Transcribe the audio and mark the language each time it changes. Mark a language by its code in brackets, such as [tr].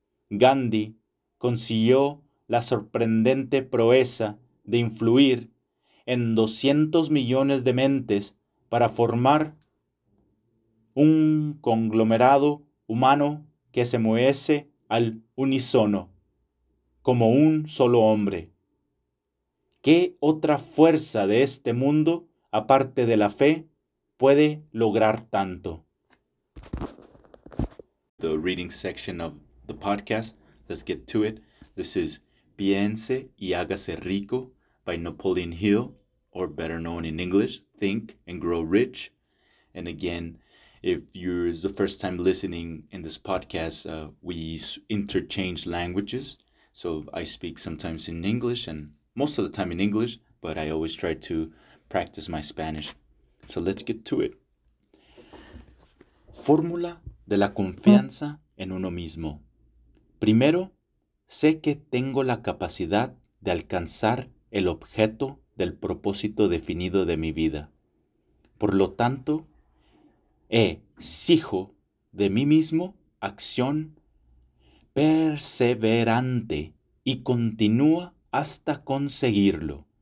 [es] Gandhi consiguió la sorprendente proeza de influir en 200 millones de mentes para formar un conglomerado humano que se moviese al unísono, como un solo hombre. ¿Qué otra fuerza de este mundo, aparte de la fe, puede lograr tanto? [en] The reading section of the podcast. Let's get to it. This is Piense y Hágase Rico by Napoleon Hill, or better known in English, Think and Grow Rich. And again, if you're the first time listening in this podcast, we interchange languages. So I speak sometimes in English and most of the time in English, but I always try to practice my Spanish. So let's get to it. [es] Fórmula de la confianza en uno mismo. Primero, Sé que tengo la capacidad de alcanzar el objeto del propósito definido de mi vida. Por lo tanto, exijo de mí mismo acción perseverante y continúa hasta conseguirlo.